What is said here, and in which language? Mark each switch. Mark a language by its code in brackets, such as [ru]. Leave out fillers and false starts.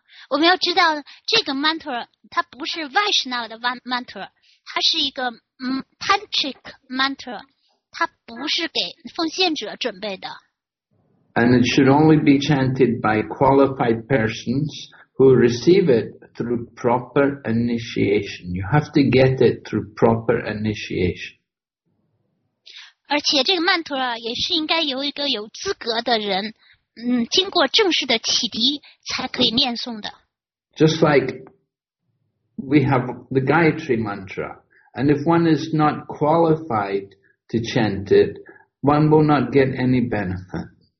[zh] 我们要知道这个 mantra 它不是 Vaishnava 的 mantra， 它是一个 tantric mantra， 它不是给奉献者准备的。 [en] And it should only be chanted by qualified persons who receive it through proper initiation. You have to get it through proper initiation. [zh] 而且这个 mantra 也是应该由一个有资格的人经过正式的启迪才可以念诵的。 [en] Just like we have the Gayatri Mantra, and if one is not qualified to chant it, one will not get any benefit.